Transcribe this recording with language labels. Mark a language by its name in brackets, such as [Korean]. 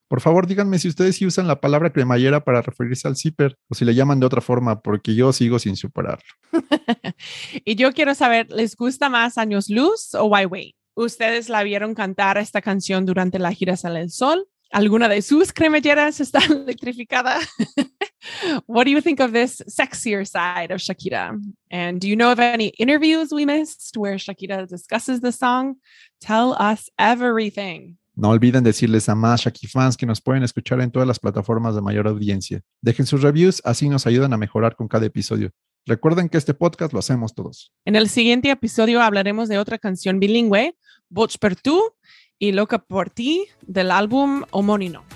[Spanish] Por favor, díganme si ustedes sí usan la palabra cremallera para referirse al zipper o si le llaman de otra forma, porque yo sigo sin superarlo. Y yo quiero saber, ¿les gusta más Años Luz o YWay? ¿Ustedes la vieron cantar esta canción durante la gira Sale el Sol? ¿Alguna de sus cremalleras está electrificada? [English] What do you think of this sexier side of Shakira? And do you know of any interviews we missed where Shakira discusses the song? Tell us everything. [Spanish] No olviden decirles a más Shaki fans que nos pueden escuchar en todas las plataformas de mayor audiencia. Dejen sus reviews, así nos ayudan a mejorar con cada episodio. Recuerden que este podcast lo hacemos todos. En el siguiente episodio hablaremos de otra canción bilingüe, Voz per tú y Loca por ti, del álbum homónimo.